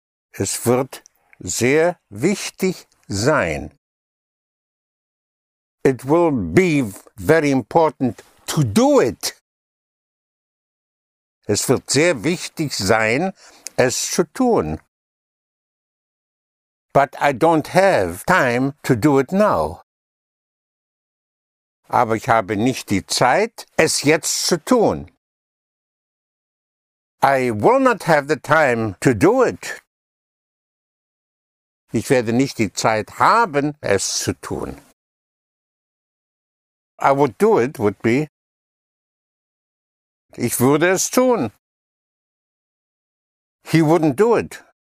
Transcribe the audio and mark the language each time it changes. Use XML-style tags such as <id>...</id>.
<de>Es wird sehr wichtig sein.</de> <en>It will be very important to do it.</en> <de>Es wird sehr wichtig sein, es zu tun.</de> <en>But I don't have time to do it now.</en> <de>Aber ich habe nicht die Zeit, es jetzt zu tun.</de> <en>I will not have the time to do it.</en> <de>Ich werde nicht die Zeit haben, es zu tun.</de> <en>I would do it would be,</en> <de>ich würde es tun.</de> <en>He wouldn't do it.</en>